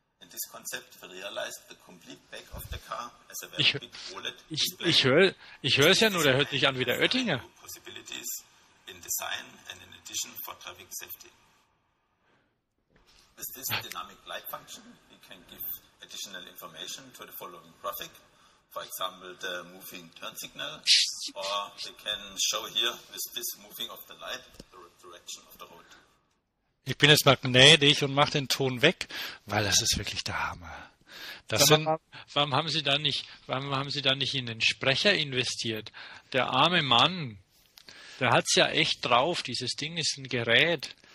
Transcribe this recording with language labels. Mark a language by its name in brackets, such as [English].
[English] This concept realized the complete back of the car as a very big OLED display. [German] Ich höre es ja nur, der hört nicht an wie der Oettinger. [English] Possibilities in design and in addition for traffic safety. With this dynamic light function, we can give additional information to the following traffic. For example, the moving turn signal. Or we can show here with this moving of the light the direction of the road. [German] Ich bin jetzt mal gnädig und mache den Ton weg, weil das ist wirklich der Hammer. Warum haben Sie da nicht in den Sprecher investiert? Der arme Mann, der hat es ja echt drauf. Dieses Ding ist ein Gerät.